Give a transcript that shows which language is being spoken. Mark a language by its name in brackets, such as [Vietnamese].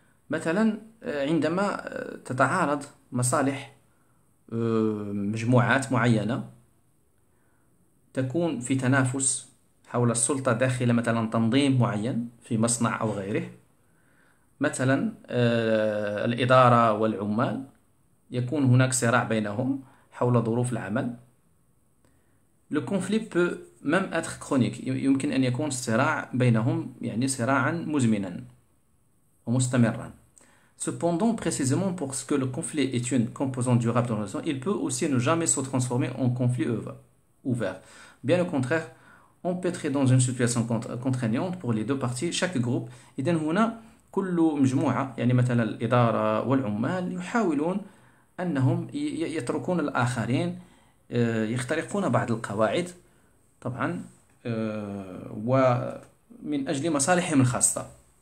[Arabic] مثلا عندما تتعارض مصالح مجموعات معينة تكون في تنافس حول السلطة داخل مثلا تنظيم معين في مصنع أو غيره، مثلا الإدارة والعمال يكون هناك صراع بينهم حول ظروف العمل. [French] لو كونفلي بو ميم اتر كرونيك، [Arabic] يمكن ان يكون الصراع بينهم يعني صراعا مزمنا ومستمرا. [French] Cependant, précisément parce que le conflit est une composante durable de la relation, il peut aussi ne jamais se transformer en conflit ouvert. Bien au contraire, empêtré dans une situation contraignante pour les deux parties, chaque groupe, [Arabic] إذن هنا كل مجموعة يعني مثلا الإدارة والعمال يحاولون أنهم يتركون الآخرين يخترقون بعض القواعد طبعا ومن أجل مصالحهم الخاصة.